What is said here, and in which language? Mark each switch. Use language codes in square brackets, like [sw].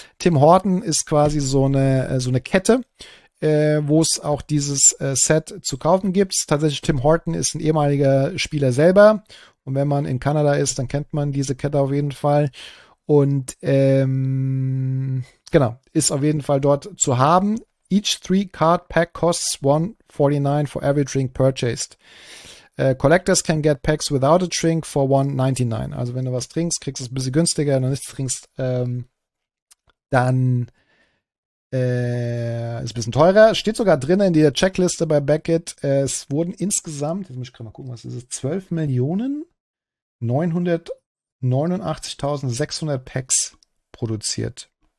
[de] Tim Hortons ist quasi so eine Kette, wo es auch dieses Set zu kaufen gibt. Tatsächlich, Tim Hortons ist ein ehemaliger Spieler selber. Und wenn man in Kanada ist, dann kennt man diese Kette auf jeden Fall. Und genau, ist auf jeden Fall dort zu haben. [en] Each 3-card pack costs $1.49 for every drink purchased. Collectors can get packs without a drink for $1.99. [de] Also wenn du was trinkst, kriegst du es ein bisschen günstiger. Wenn du nichts trinkst, dann ist es ein bisschen teurer. Steht sogar drin in der Checkliste bei Beckett. Es wurden insgesamt, jetzt muss ich gerade mal gucken, was ist es, 12.989.600 Packs produziert.